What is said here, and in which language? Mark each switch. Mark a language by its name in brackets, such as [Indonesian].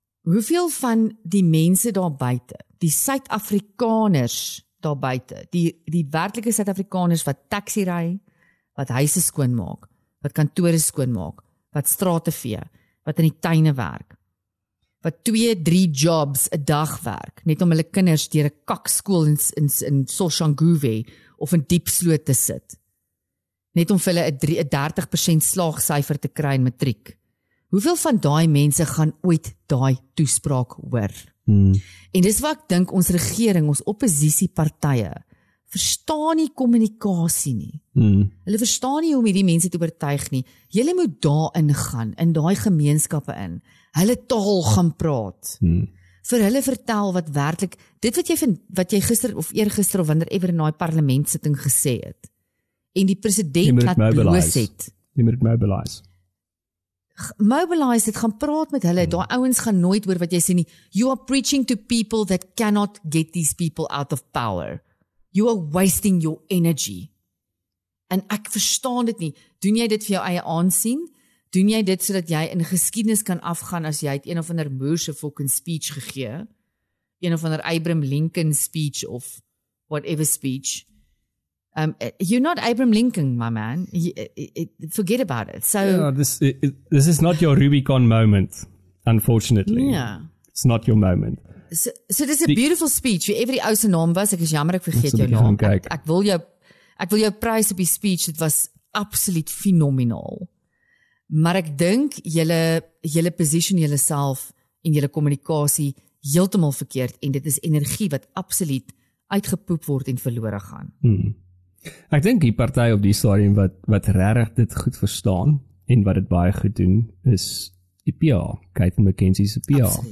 [Afrikaans] Hoeveel van die mense daar buite, die Suid-Afrikaners daar buite, die werklike Suid-Afrikaners wat taxi ry, wat huise skoon maak, wat kantore skoon maak, wat strate vee, wat in die tuine werk, wat 2-3 jobs 'n dag werk, net om hulle kinders deur 'n kakskool in Soshanguve of in Diepsloot te sit. Net om vir hulle 'n 30% slaagsyfer te kry in matriek. Hoeveel van daai mense gaan ooit daai toespraak hoor? En dis wat ek dink ons regering, ons oppositiepartye, verstaan nie kommunikasie nie. Hulle verstaan nie hoe om hierdie mense te oortuig nie. Julle moet daarin gaan, in daai gemeenskappe in. Hulle taal gaan praat. Vir hulle vertel wat werklik, dit wat jy vind, wat jy gister of eergister of wanneer ever in daai parlementsitting gesê het. En die president laat bloos het. Jy moet mobilise. Mobilise, dit gaan praat met hulle. Daai ouens gaan nooit hoor wat jy sê nie. [English] You are preaching to people that cannot get these people out of power. You are wasting your energy. [Afrikaans] En ek verstaan dit nie. Doen jy dit vir jou eie aansien? Doen jy dit sodat jy in geskiedenis kan afgaan as jy het een of ander moorse fucking speech gegee? Een of ander Abraham Lincoln speech of whatever speech. [English] You're not Abraham Lincoln, my man. Forget about it. So yeah, this is not your Rubicon moment, unfortunately. Yeah. It's not your moment. So this is a beautiful speech. [Afrikaans] Wie ever die ou se naam was, ek is jammer ek vergeet jou naam. Ek wil jou prys op die speech. Dit was absoluut fenomenaal. Maar ek dink julle position julleself en julle kommunikasie heeltemal verkeerd en dit is energie wat absoluut uitgepoep word en verlore gaan. Ek dink die party op die stadium wat regtig dit goed verstaan en wat dit baie goed doen is die PA, Kate McKenzie se PA.